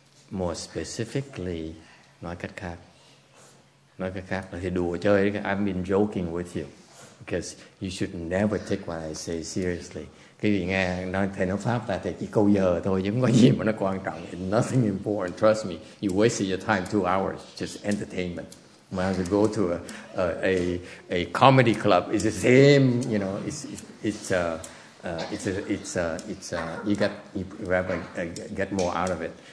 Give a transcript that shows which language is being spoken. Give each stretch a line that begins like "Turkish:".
English: More specifically,
Vietnamese: nói cách khác là thì đùa chơi.
English: I've been joking with you because you should never take what I say seriously.
Vietnamese: Cái gì nghe nói thầy nói pháp là thầy chỉ câu giờ thôi, chứ không có gì mà nó quan trọng.
English: It's nothing important, trust me. You wasted your time 2 hours just entertainment. When you go to a comedy club, it's the same, you know, you get more out of it.